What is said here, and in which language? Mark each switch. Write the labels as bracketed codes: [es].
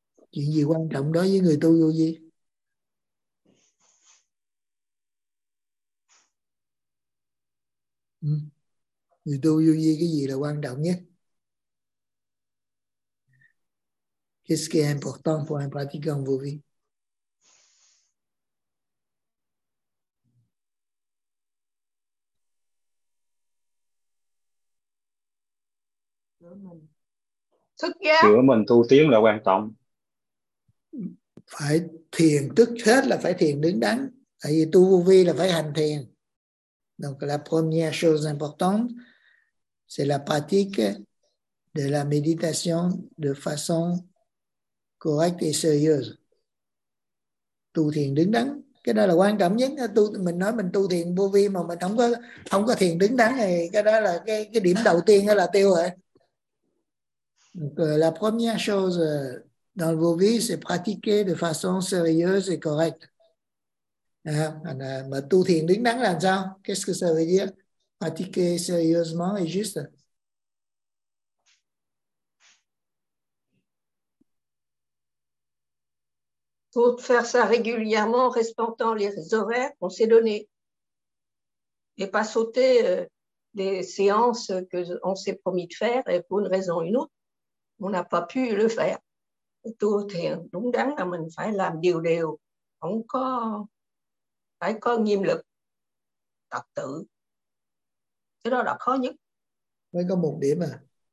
[vi] Chuyện gì quan trọng đối với người tu vô vi? Người tu vô vi cái gì là quan trọng nhất? [fr] Qu'est-ce qui est important pour un pratiquant vô vi? [vi] Sửa mình tu tiến là quan trọng. Phải thiền, trước hết là phải thiền đứng đắn. Tại vì tu vô vi là phải hành thiền. [fr] Donc la première chose importante, c'est la pratique de la méditation de façon correcte et sérieuse. [vi] Tu thiền đứng đắn, cái đó là quan trọng nhất. Tu mình nói mình tu thiền vô vi mà mình không có thiền đứng đắn thì cái đó là cái điểm đầu tiên đó là tiêu rồi. [fr] Donc, la première chose dans vos vies, c'est pratiquer de façon sérieuse et correcte. [vi] Mà tu thiền đứng đắn làm sao? [fr] Qu'est-ce que ça veut dire? Pratiquer sérieusement et juste. Faut faire ça régulièrement, respectant les horaires qu'on s'est donné. Et pas sauter des séances qu'on s'est promis de faire et pour une raison ou une autre. On n'a pas pu le faire. [vi] Tu thiền đúng đắn là mình phải làm đều đều, không có phải có nghiêm lực tập tự. Cái đó là khó nhất. Mới có một điểm à.